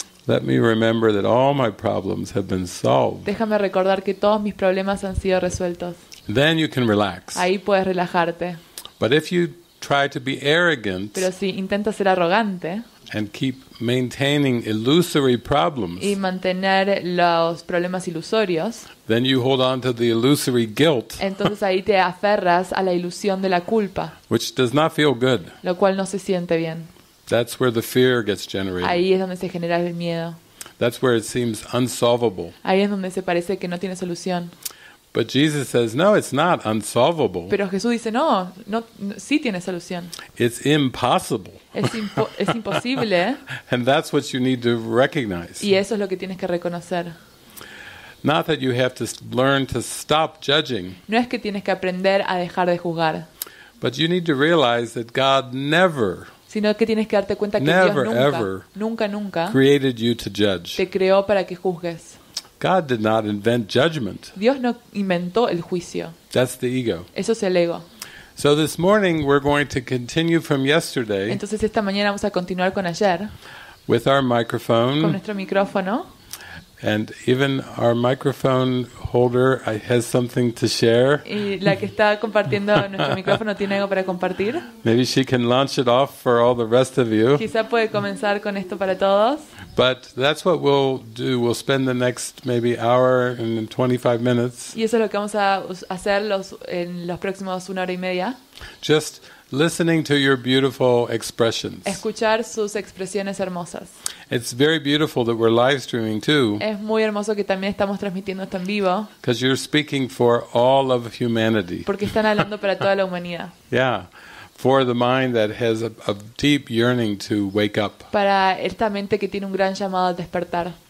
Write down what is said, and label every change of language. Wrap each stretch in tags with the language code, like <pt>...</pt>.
<en>Let me remember that all my problems have been solved.</en> <es>Déjame recordar que todos mis problemas han sido resueltos.</es> <en>Then you can relax.</en> <es>Ahí puedes relajarte.</es> <en>But if you try to be arrogant,</en> <es>pero si intentas ser arrogante,</es> <en>and keep maintaining illusory problems,</en> <es>y mantener los problemas ilusorios,</es> <en>then you hold on to the illusory guilt.</en> <es>Entonces ahí te aferras a la ilusión de la culpa,</es> <en>which does not feel good.</en> <es>Lo cual no se siente bien.</es> <en>That's where the fear gets generated.</en> <es>Ahí es donde se genera el miedo.</es> <en>That's where it seems unsolvable.</en> <es>Ahí es donde se parece que no tiene solución.</es> <en>But Jesus says, no, it's not unsolvable.</en> <es>Pero Jesús dice, no, no, no, sí tiene solución.</es> <en>It's impossible.</en> <es>Es imposible.</es> <en>And that's what you need to recognize.</en> <es>Y eso es lo que tienes que reconocer.</es> <en>Not that you have to learn to stop judging.</en> <es>No es que tienes que aprender a dejar de juzgar.</es> <en>But you need to realize that God never,</en> <es>sino que tienes que darte cuenta que</es> <en>never,</en> <es>Dios nunca</es> <en>created you to judge.</en> <es>Te creó para que juzgues.</es> <en>God did not invent judgment.</en> <es>Dios no inventó el juicio.</es> <en>That's the ego.</en> <es>Eso es el ego.</es> <en>So this morning we're going to continue from yesterday.</en> <es>Entonces esta mañana vamos a continuar con ayer.</es> <en>With our microphone.</en> <es>Con nuestro micrófono.</es> <en>And even our microphone holder has something to share.</en> <es>Y la que está compartiendo nuestro micrófono tiene algo para compartir.</es> <en>Maybe she can launch it off for all the rest of you.</en> <es>Quizá puede comenzar con esto para todos.</es> <en>But that's what we'll do. We'll spend the next maybe hour and 25 minutes.</en> <es>Y eso es lo que vamos a hacer en los próximos una hora y media.</es> <en>Just listening to your beautiful expressions.</en> <es>Escuchar sus expresiones hermosas.</es> <en>It's very beautiful that we're live streaming too.</en> <es>Es muy hermoso que también estamos transmitiendo esto en vivo.</es> <en>Because you're speaking for all of humanity.</en> <es>Porque están hablando para toda la humanidad.</es> <en>Yeah. For the mind that has a deep yearning to wake up.</en> <es>Para esta mente que tiene un gran llamado al despertar.</es>